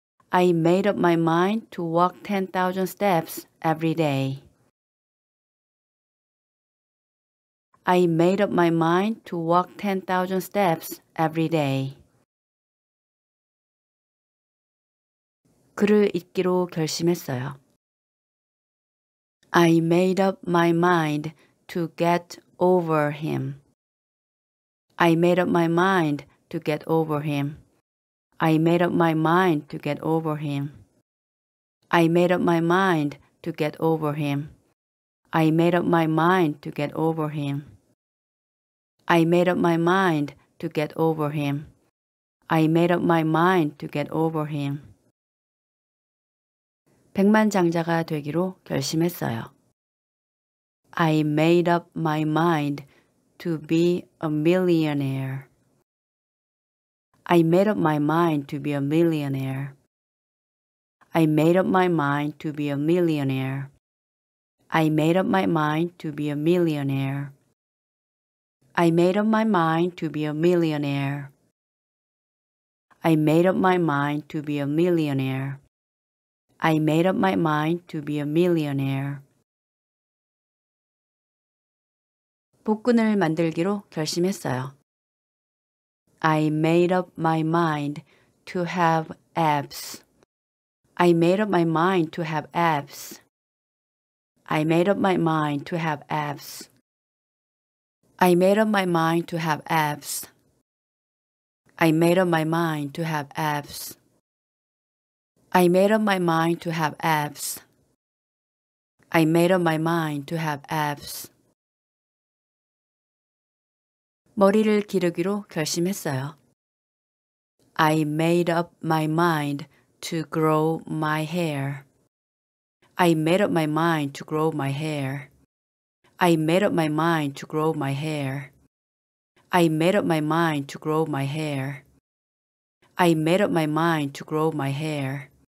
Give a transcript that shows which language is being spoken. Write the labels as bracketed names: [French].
[English] I made up my mind to walk 10,000 steps every day. I made up my mind to walk 10,000 steps every day. [Korean] 글을 읽기로 결심했어요. [English] I made up my mind to get over him. I made up my mind to get over him. I made up my mind to get over him. I made up my mind to get over him. I made up my mind to get over him. I made up my mind to get over him. I made up my mind to get over him. [Korean] 백만장자가 되기로 결심했어요. [English] I made up my mind to be a millionaire. I made up my mind to be a millionaire. I made up my mind to be a millionaire. I made up my mind to be a millionaire. I made up my mind to be a millionaire. I made up my mind to be a millionaire. I made up my mind to be a millionaire. [Korean] 복근을 만들기로 결심했어요. [English] I made up my mind to have abs. I made up my mind to have abs. I made up my mind to have abs. I made up my mind to have abs. I made up my mind to have abs. I made up my mind to have abs. I made up my mind to have abs. [Korean] 머리를 기르기로 결심했어요. [English] I made up my mind to grow my hair. I made up my mind to grow my hair. I made up my mind to grow my hair. I made up my mind to grow my hair. I made up my mind to grow my hair.